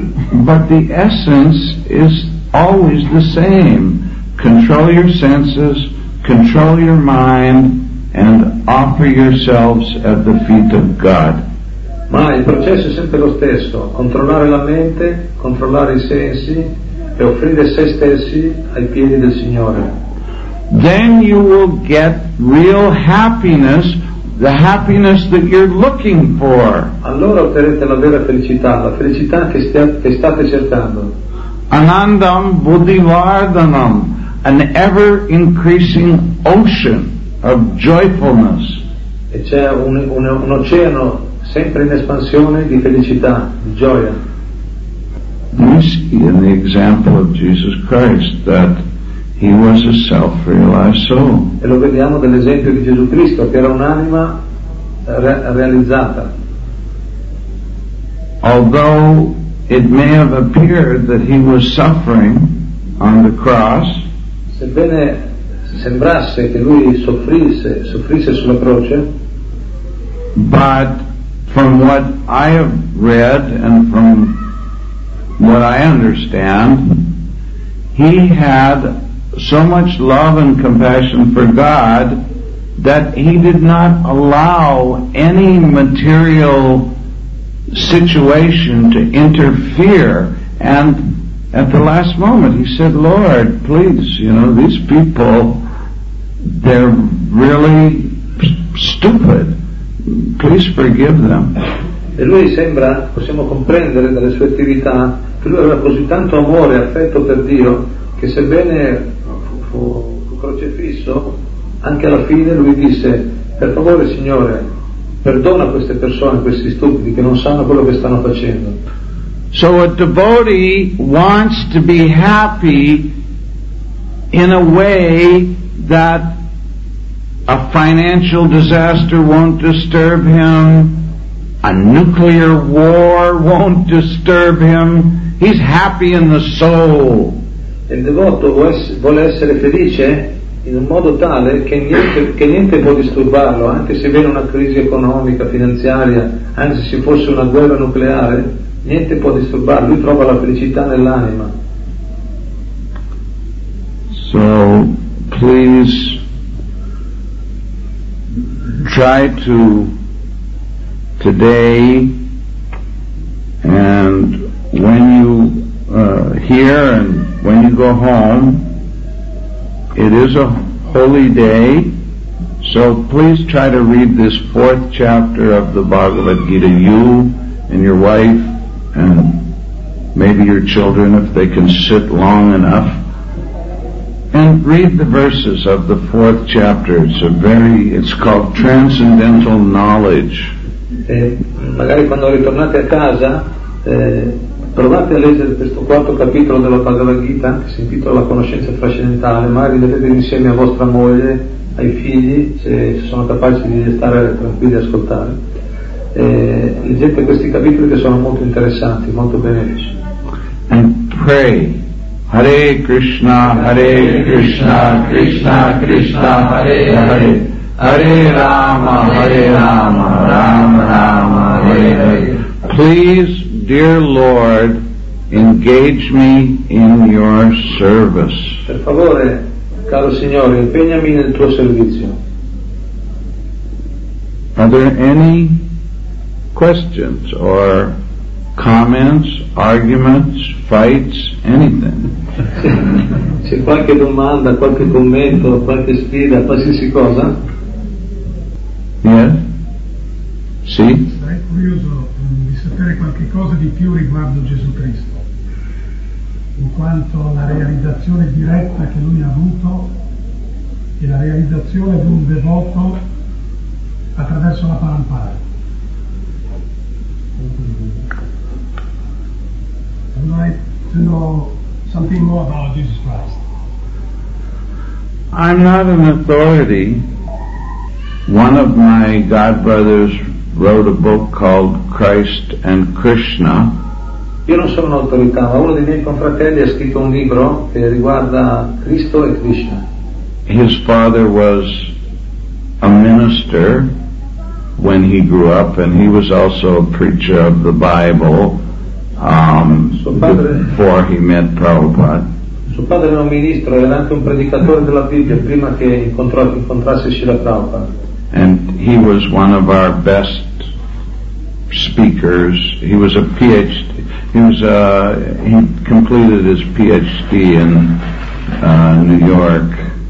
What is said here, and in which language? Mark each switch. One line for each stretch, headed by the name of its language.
English: But the essence is always the same. Control your senses, control your mind, and offer yourselves at the feet of God.
Italian: Ma il processo è sempre lo stesso: controllare la mente, controllare i sensi e offrire se stessi ai piedi del Signore.
English: Then you will get real happiness, the happiness that you're looking for.
Italian: Allora otterrete la vera felicità, la felicità che state cercando.
Sanskrit: Anandam buddhivardhanam,
English: an ever increasing ocean of joyfulness.
Italian: E c'è un oceano sempre in espansione di felicità, di gioia.
English: We see in the example of Jesus Christ that he was a self-realized soul.
Italian: E lo vediamo dall'esempio di Gesù Cristo, che era un'anima realizzata.
English: Although it may have appeared that he was suffering on the cross,
Italian: sebbene sembrasse che lui soffrisse sulla croce,
English: but from what I have read and from what I understand, he had so much love and compassion for God that he did not allow any material situation to interfere. And at the last moment he said, Lord, please, you know, these people, they're really stupid. Please forgive them.
Italian: E lui sembra, possiamo comprendere dalle sue attività, che lui aveva così tanto amore e affetto per Dio che sebbene fu crocifisso, anche alla fine lui disse, per favore Signore, perdona queste persone, questi stupidi che non sanno quello che stanno facendo.
English: So a devotee wants to be happy in a way that a financial disaster won't disturb him, a nuclear war won't disturb him. He's happy in the soul.
Italian: Il devoto vuole essere felice in un modo tale che niente può disturbarlo, anche se viene una crisi economica, finanziaria, anche se fosse una guerra nucleare, niente può disturbarlo, lui trova la felicità nell'anima.
English: So please try to today, and when you hear and when you go home, it is a holy day, so please try to read this fourth chapter of the Bhagavad Gita, you and your wife and maybe your children if they can sit long enough, and read the verses of the fourth chapter. It's called Transcendental Knowledge.
Italian: Magari quando ritornate a casa, provate a leggere questo quarto capitolo della Bhagavad Gita, che si intitola La conoscenza trascendentale, ma rivedete insieme a vostra moglie, ai figli, se sono capaci di stare tranquilli e ascoltare. Leggete questi capitoli che sono molto interessanti, molto benefici.
English: And pray. Hare Krishna, Hare Krishna, Krishna Krishna, Hare Hare. Hare Rama, Hare Rama, Rama Rama, Hare Hare. Please, dear Lord, engage me in your service.
Italian: Per favore, caro Signore, impegnami nel tuo servizio.
English: Are there any questions or comments, arguments, fights, anything?
Italian: se qualche domanda, qualche commento, qualche sfida, qualsiasi cosa.
English: Yes. Sì.
Italian: Sarei curioso di sapere qualche cosa di più riguardo Gesù Cristo, in quanto la realizzazione diretta che lui ha avuto e la realizzazione di un devoto attraverso la parampara.
English: I'd like to know something more about Jesus Christ. I'm not an authority. One of my godbrothers wrote a book called Christ and Krishna.
Italian: Io non sono un'autorità, ma uno dei miei confratelli ha scritto un libro che riguarda Cristo e Krishna.
English: His father was a minister when he grew up, and he was also a preacher of the Bible before he met Prabhupada.
Italian: Suo padre era un ministro, era anche un predicatore della Bibbia prima che incontrasse Srila Prabhupada.
English: And he was one of our best speakers. He was a PhD. He completed his PhD in New York.